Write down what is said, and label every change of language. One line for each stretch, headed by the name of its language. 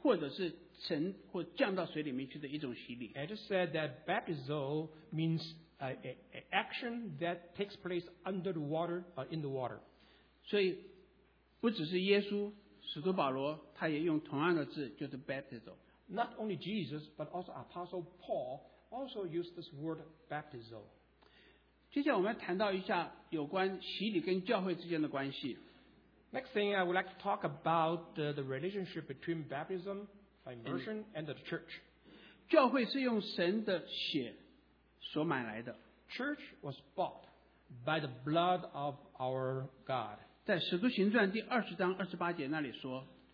Chinese: 我刚刚说过，这个字是一个表明在水里面的状态，是到水里面去，或者是沉或降到水里面去的一种洗礼。
English: I just said that baptizo means an action that takes place under the water, in the water.
Chinese: 所以。不只是耶稣，使徒保罗，他也用同样的字，就是baptizo.
English: Not only Jesus, but also Apostle Paul also used this word baptizo.
Chinese: 接下来我们谈到一下有关洗礼跟教会之间的关系。
English: Next thing I would like to talk about the relationship between baptism, immersion, and the church.
Chinese: 教会是用神的血所买来的。
English: Church was bought by the blood of our God.
Chinese: 在《使徒行传》第20章28节那里说，